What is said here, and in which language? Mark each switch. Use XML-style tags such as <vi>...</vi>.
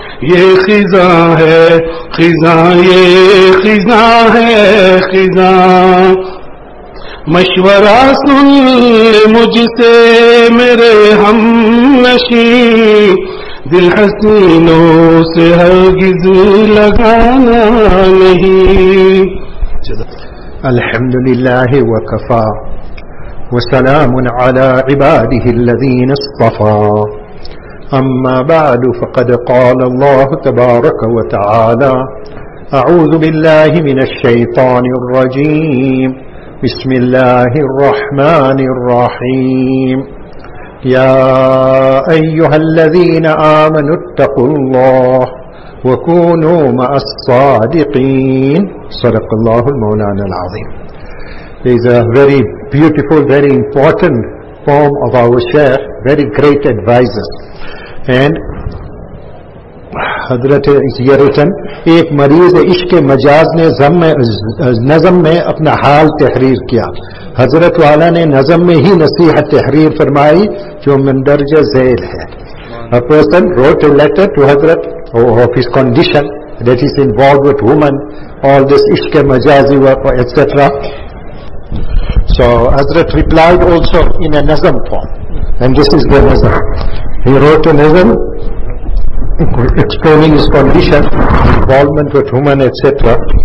<ur>یہ خزاں ہے خزاں، یہ خزاں ہے خزاں. مشورہ سن لے مجھ سے میرے ہم نشین، دل حسینوں سے ہرگز لگانا نہیں.</ur> <ar>الحمد للہ وکفا وسلام على عباده الذين اصطفى، أما بعد فقد قال الله تبارك وتعالى، أعوذ بالله من الشيطان الرجيم، بسم الله الرحمن الرحيم. يا أيها الذين آمنوا اتقوا الله وكونوا مع الصادقين. صدق الله المولانا العظيم.</ar> <en>He's a very beautiful, very important form of our Shaykh, very great advisor.</en> <ur>And حضرت یہ رتن ایک مریض عشق مجاز نے نظم میں اپنا حال تحریر کیا. حضرت والا نے نظم میں ہی نصیحت تحریر فرمائی جو مندرجہ ذیل ہے.</ur> <en>A person wrote a letter to حضرت of his condition that is involved with woman, all this عشق مجازی work etc. So حضرت replied also in a nazm form, and this is the nazm. He wrote a nazm explaining his condition, involvement with woman, etc.</en>